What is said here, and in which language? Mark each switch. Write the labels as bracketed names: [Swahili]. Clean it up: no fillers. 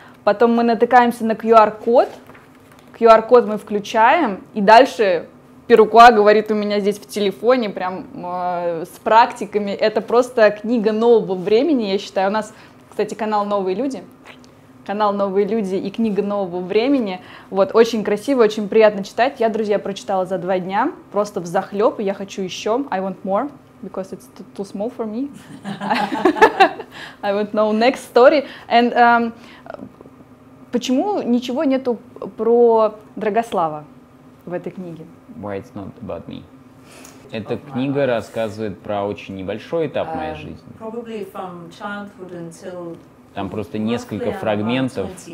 [Russian] Потом мы натыкаемся на QR-код. QR-код мы включаем, и дальше Pirukuo говорит у меня здесь в телефоне, прям с практиками. Это просто книга нового времени, я считаю. У нас, кстати, канал «Новые люди». Канал «Новые люди» и книга «Нового времени». Вот, очень красиво, очень приятно читать. Я, друзья, прочитала за 2 дня, просто взахлеб, и я хочу еще. [English] I want more, because it's too small for me. I want to know next story. And... [Russian] Почему ничего нету про Драгослава в этой книге? [English] Why it's not about me? [Russian] Эта книга рассказывает про очень небольшой этап моей жизни. [English] Probably from childhood until... [Russian] Там просто несколько фрагментов.